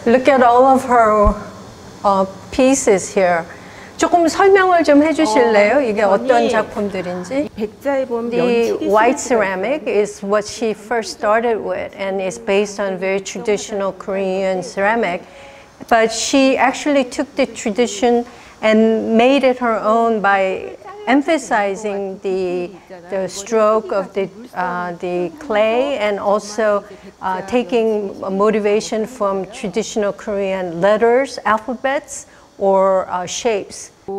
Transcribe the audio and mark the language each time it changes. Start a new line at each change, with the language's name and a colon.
English: Look at all of her pieces here.
Korean: 조금 설명을 좀 해주실래요? 이게 어떤 작품들인지? 백자에 보면
English: the white ceramic is what she first started with and is based on very traditional Korean ceramic. But she actually took the tradition and made it her own by emphasizing the stroke of the clay and also taking motivation from traditional Korean letters, alphabets, or shapes.